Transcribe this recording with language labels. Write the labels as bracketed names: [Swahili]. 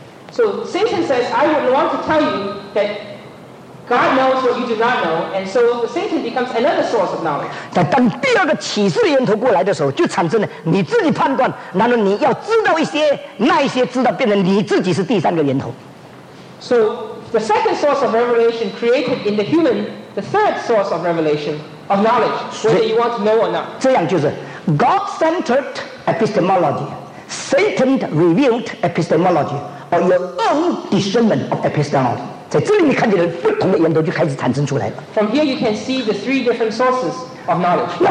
[English] So Satan says, "I would want to tell you that God knows what you do not know," and so Satan becomes another source of knowledge. [Chinese] 但当第二个启示的源头过来的时候，就产生了你自己判断，然后你要知道一些，那一些知道变成你自己是第三个源头。 [English] So the second source of revelation created in the human, the third source of revelation of knowledge, whether you want to know or not. [Chinese] 这样就是 [English] God-centered epistemology, Satan-revealed epistemology, or your own discernment of epistemology. [Chinese] 在这里你看见了不同的源头就开始产生出来了。 [English] From here you can see the three different sources of knowledge.